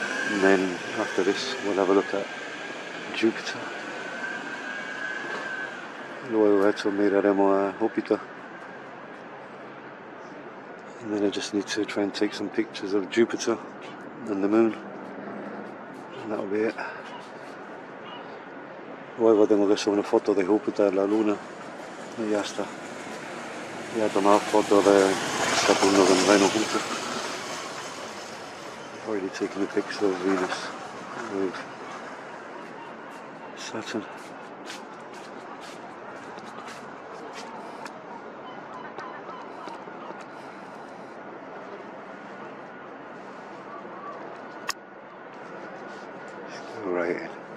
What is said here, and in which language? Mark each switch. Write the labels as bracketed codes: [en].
[en] And then after this, we'll have a look at Jupiter. [es] Luego esto miraremos a Júpiter. [en] And then I just need to try and take some pictures of Jupiter and the moon. And that'll be it. [es] Luego tengo que hacer una foto de Júpiter, la luna. Y ya está. Ya tomé foto de Saturno con Venus junto. [en] I've already taken a picture of Venus with Saturn. Still writing.